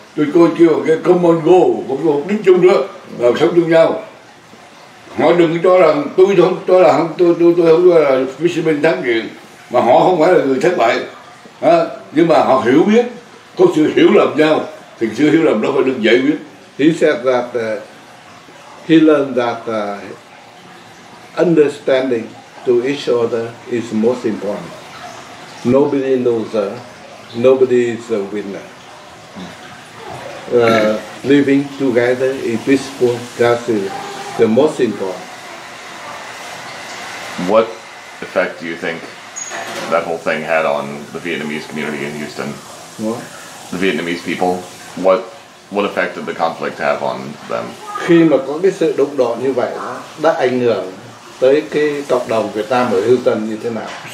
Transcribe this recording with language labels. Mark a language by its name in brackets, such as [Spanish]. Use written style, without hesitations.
[Vietnamese] Tôi coi kêu cái [English] common goal, [Vietnamese] một cái mục đích chung đó, là sống chung nhau. Họ đừng cho rằng tôi không cho là không tôi không cho là fisherman thắng kiện, mà họ không phải là người thất bại, nhưng mà họ hiểu biết, có sự hiểu lầm nhau thì sự hiểu lầm đó phải được giải quyết. [English] He said that he learned that understanding to each other is most important. Nobody loser, nobody is a winner. Living together in peaceful, that's the most important. What effect do you think that whole thing had on the Vietnamese community in Houston? What? The Vietnamese people. What effect did the conflict have on them? [Vietnamese] Khi mà có cái sự đụng độ như vậy đã ảnh hưởng tới cái cộng đồng Việt Nam ở Houston như thế nào?